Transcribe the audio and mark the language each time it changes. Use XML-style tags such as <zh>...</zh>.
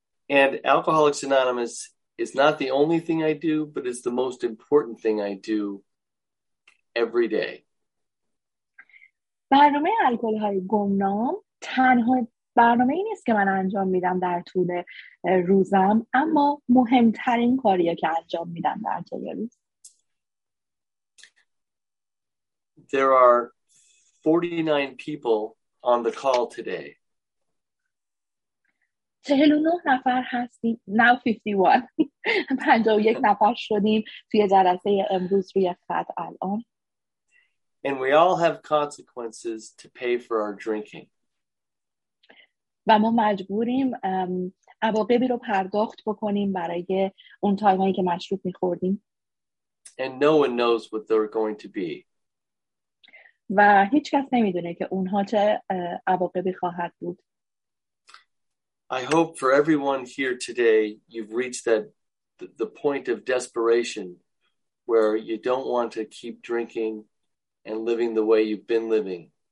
<en>And Alcoholics Anonymous is not the only thing I do, but it's the most important thing I do every day.</en> <fa>برنامه الکل‌های گمنام تنها برنامه‌ای نیست که من انجام میدم در طول روزم، اما مهمترین کاریه که انجام میدم در طول روز.</fa> <en>There are 49 people on the call today.</en> <fa>49 نفر هستیم.</fa> <en>Now 51.</en> <fa>51 نفر شدیم توی جلسه امروز روی خط الان.</fa> <en>And we all have consequences to pay for our drinking.</en> <fa>و ما مجبوریم عواقبی رو پرداخت بکنیم برای اون تایمایی که مشروب می‌خوردیم.</fa> <en>And no one knows what they're going to be.</en> <fa>و هیچ کس نمیدونه که اونها چه عواقبی خواهد بود.</fa> <en>I hope for everyone here today you've reached that the point of desperation where you don't want to keep drinking and living the way you've been living.</en>